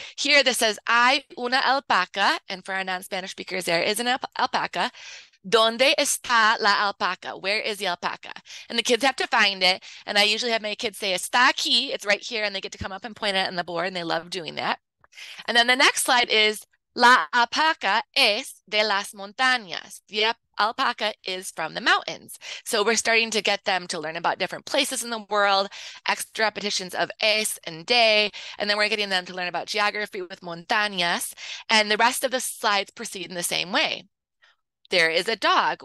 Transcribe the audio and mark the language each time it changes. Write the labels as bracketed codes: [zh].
[en] Here, this says, [es] hay una alpaca, [en] and for our non-Spanish speakers, there is an alpaca. [es] ¿Dónde está la alpaca? [en] Where is the alpaca? And the kids have to find it. And I usually have my kids say, [es] está aquí, [en] it's right here. And they get to come up and point it on the board, and they love doing that. And then the next slide is, [es] la alpaca es de las montañas. [en] The alpaca is from the mountains. So we're starting to get them to learn about different places in the world, extra repetitions of es and de, and then we're getting them to learn about geography with montañas, and the rest of the slides proceed in the same way. There is a dog.